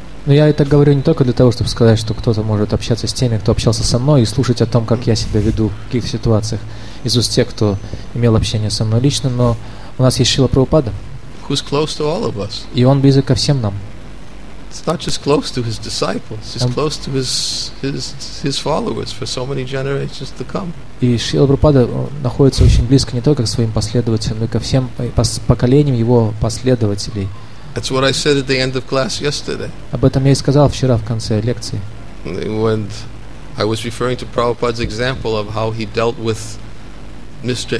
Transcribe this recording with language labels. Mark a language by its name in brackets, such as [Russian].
[Russian] Но я это говорю не только для того, чтобы сказать, что кто-то может общаться с теми, кто общался со мной, и слушать о том, как я себя веду в каких-то ситуациях из уст тех, кто имел общение со мной лично, но у нас есть Шрила Прабхупада. [English] Who's close to all of us. [Russian] И он близок ко всем нам. [English] It's not just close to his disciples, he's close to his followers for so many generations to come. [Russian] И Шрила Прабхупада находится очень близко не только к своим последователям, но и ко всем поколениям его последователей. [English] That's what I said at the end of class yesterday. [Russian] Об этом я и сказал вчера в конце лекции. [English] When I was referring to Prabhupada's example of how he dealt with Mr.